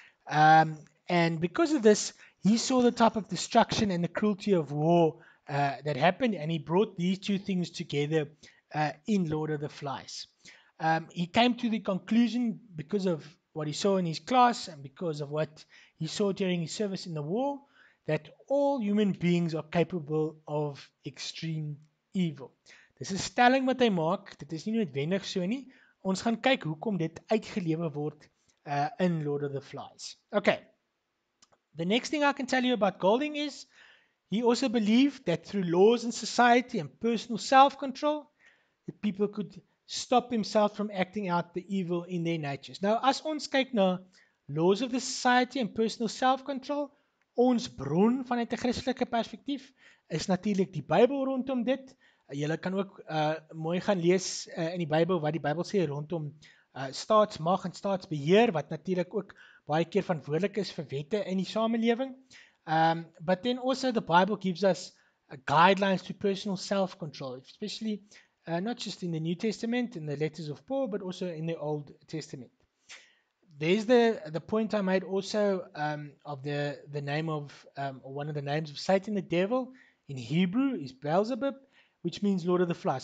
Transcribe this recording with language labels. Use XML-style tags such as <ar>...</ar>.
<en>And because of this, he saw the type of destruction and the cruelty of war that happened, and he brought these two things together in Lord of the Flies. He came to the conclusion, because of what he saw in his class and because of what he saw during his service in the war, that all human beings are capable of extreme evil.</en> <af>Dis 'n stelling wat hy maak, dit is nie noodwendig so nie. Ons gaan kyk hoekom dit uitgelewe word in Lord of the Flies.</af> <en>Okay, the next thing I can tell you about Golding is, he also believed that through laws and society and personal self-control, that people could stop themselves from acting out the evil in their natures.</en> <af>Nou, as ons kyk na</af> <en>laws of the society and personal self-control,</en> <af>ons bron vanuit 'n Christelike perspektief is natuurlik die Bybel rondom dit. Julle kan ook mooi gaan lees in die Bybel wat die Bybel sê rondom staatsmag en staatsbeheer, wat natuurlik ook baie keer verantwoordelik is vir wette in die samelewing.</af> <en>But then also the Bible gives us guidelines to personal self-control, especially not just in the New Testament, in the letters of Paul, but also in the Old Testament. There's the point I made also of the name of one of the names of Satan, the devil, in Hebrew is Beelzebub, which means Lord of the Flies.</en>